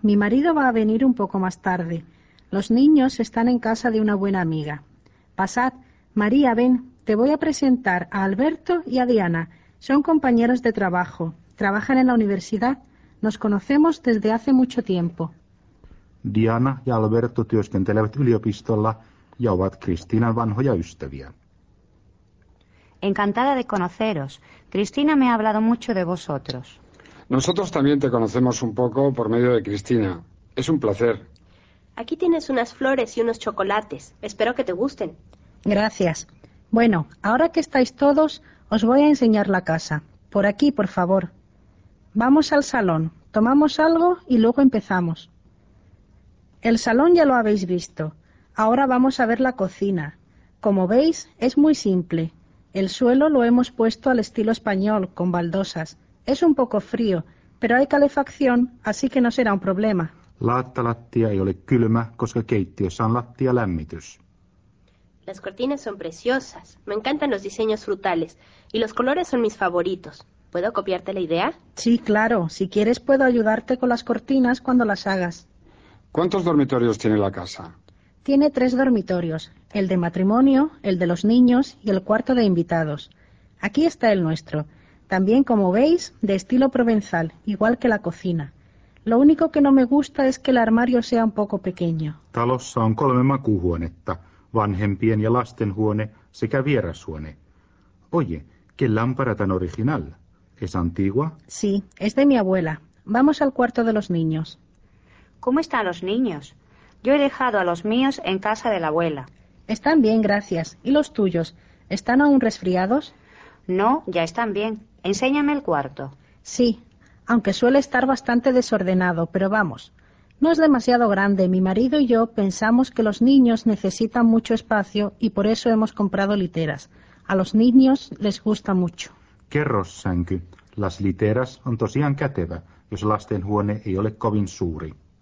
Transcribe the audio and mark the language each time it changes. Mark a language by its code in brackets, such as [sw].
[es] Mi marido va a venir un poco más tarde. Los niños están en casa de una buena amiga. Pasad. María, ven. Te voy a presentar a Alberto y a Diana. Son compañeros de trabajo. Trabajan en la universidad. Nos conocemos desde hace mucho tiempo. [fi] Diana ja Alberto työskentelevät yliopistolla ja ovat Kristiinan vanhoja ystäviä. [es] Encantada de conoceros. Cristina me ha hablado mucho de vosotros. Nosotros también te conocemos un poco por medio de Cristina. Es un placer. Aquí tienes unas flores y unos chocolates. Espero que te gusten. Gracias. Bueno, ahora que estáis todos, os voy a enseñar la casa. Por aquí, por favor. Vamos al salón. Tomamos algo y luego empezamos. El salón ya lo habéis visto. Ahora vamos a ver la cocina. Como veis, es muy simple. El suelo lo hemos puesto al estilo español, con baldosas. Es un poco frío, pero hay calefacción, así que no será un problema. [fi] Lattalattia ei ole kylmä, koska keittiössä on lattialämmitys. [es] Las cortinas son preciosas. Me encantan los diseños frutales. Y los colores son mis favoritos. ¿Puedo copiarte la idea? Sí, claro. Si quieres, puedo ayudarte con las cortinas cuando las hagas. ¿Cuántos dormitorios tiene la casa? Tiene tres dormitorios. El de matrimonio, el de los niños y el cuarto de invitados. Aquí está el nuestro. También, como veis, de estilo provenzal, igual que la cocina. Lo único que no me gusta es que el armario sea un poco pequeño. [fi] Talossa on kolme makuuhuonetta, vanhempien ja lastenhuone sekä vierashuone. [es] Oye, ¿qué lámpara tan original? ¿Es antigua? Sí, es de mi abuela. Vamos al cuarto de los niños. ¿Cómo están los niños? Yo he dejado a los míos en casa de la abuela. Están bien, gracias. ¿Y los tuyos? ¿Están aún resfriados? No, ya están bien. Enséñame el cuarto. Sí, aunque suele estar bastante desordenado, pero vamos. No es demasiado grande. Mi marido y yo pensamos que los niños necesitan mucho espacio y por eso hemos comprado literas. A los niños les gusta mucho. [fi] Kerrossänky. Las literas on tosiaan kätevä, jos lastenhuone ei ole kovin suuri.